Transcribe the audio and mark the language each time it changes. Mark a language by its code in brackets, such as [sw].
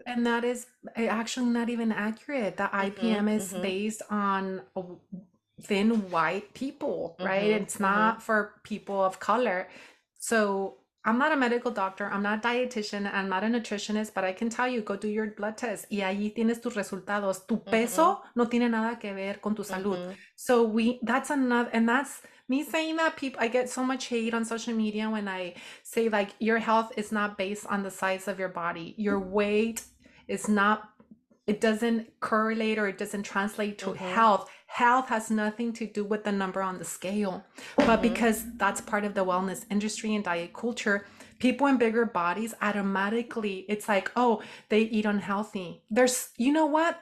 [en] and that is actually not even accurate. The IPM is based on thin white people, right? It's not for people of color. So I'm not a medical doctor, I'm not a dietitian, I'm not a nutritionist, but I can tell you, go do your blood test. [es] Y allí tienes tus resultados. Tu peso no tiene nada que ver con tu salud. [en] So we that's another and that's me saying that people I get so much hate on social media when I say like your health is not based on the size of your body. Your weight is not It doesn't correlate or it doesn't translate to health. Health has nothing to do with the number on the scale. But because that's part of the wellness industry and diet culture, people in bigger bodies automatically, it's like, oh, they eat unhealthy. You know what?